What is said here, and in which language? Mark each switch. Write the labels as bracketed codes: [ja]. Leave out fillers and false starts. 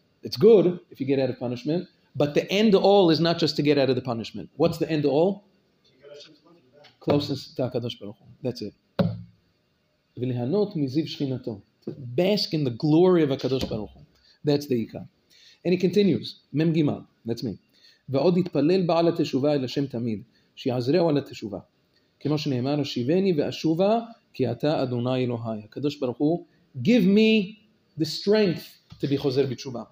[en] It's good if you get out of punishment, but the end all is not just to get out of the punishment. What's the end all? Closest to HaKadosh Baruch Hu. That's it. [he] V'lihanot miziv shchinato. [en] Bask in the glory of HaKadosh Baruch Hu. That's the ikar. And he continues, mem gimal, that's me. [he] ועוד יתפלל בעל התשובה אל השם תמיד, שיעזרהו על התשובה. כמו שנאמר, השיבני ואשובה, כי אתה אדוני אלוהי. [en] הקדוש ברוך הוא, give me the strength to be חוזר בתשובה.